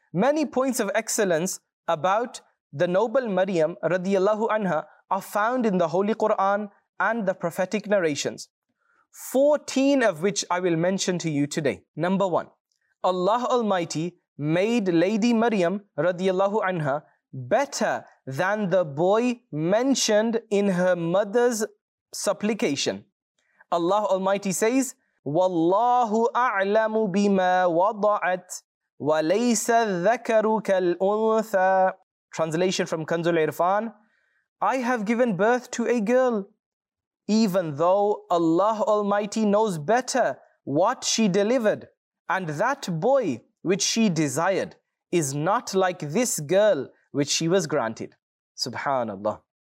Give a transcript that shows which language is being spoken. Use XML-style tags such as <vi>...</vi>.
<en>Many points of excellence about the noble Maryam radiallahu anha are found in the Holy Quran and the prophetic narrations, 14 of which I will mention to you today. Number 1, Allah Almighty made Lady Maryam radiallahu anha better than the boy mentioned in her mother's supplication. Allah Almighty says,</en> <ar>وَاللَّهُ أَعْلَمُ بِمَا وَضَعَتْ وَلَيْسَ الذَّكَرُ كَالْأُنْثَى.</ar> <en>Translation from Kanzul Irfan, I have given birth to a girl, even though Allah Almighty knows better what she delivered, and that boy which she desired is not like this girl which she was granted. Subhanallah.</en>